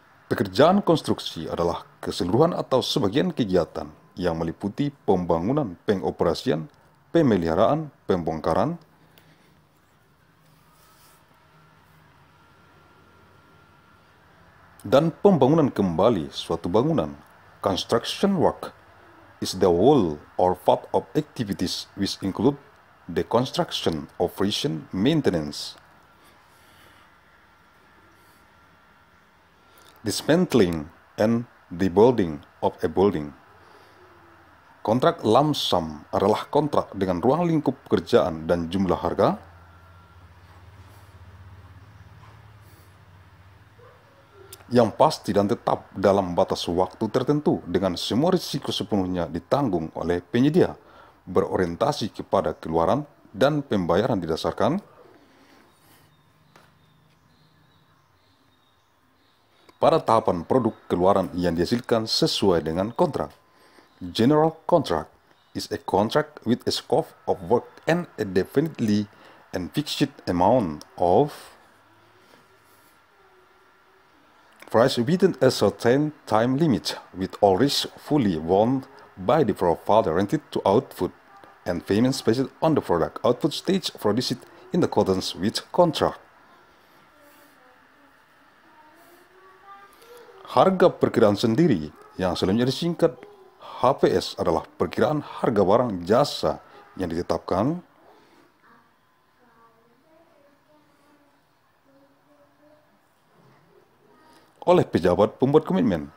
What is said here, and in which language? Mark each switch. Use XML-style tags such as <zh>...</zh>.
<id>Pekerjaan konstruksi adalah keseluruhan atau sebagian kegiatan yang meliputi pembangunan, pengoperasian, pemeliharaan, pembongkaran, dan pembangunan kembali suatu bangunan.</id> <en>Construction work is the whole or part of activities which include the construction, operation, maintenance, dismantling, and the building of a building.</en> <id>Kontrak lump sum adalah kontrak dengan ruang lingkup pekerjaan dan jumlah harga. Yang pasti dan tetap dalam batas waktu tertentu dengan semua risiko sepenuhnya ditanggung oleh penyedia, berorientasi kepada keluaran dan pembayaran didasarkan pada tahapan produk keluaran yang dihasilkan sesuai dengan kontrak.</id> <en>General contract is a contract with a scope of work and a definitely and fixed amount of price within a certain time limit, with all risk fully borne by the provider rented to output, and payments based on the product output stage produced in accordance with contract.</en> <id>Harga perkiraan sendiri, yang selanjutnya disingkat HPS, adalah perkiraan harga barang jasa yang ditetapkan oleh pejabat pembuat komitmen.</id>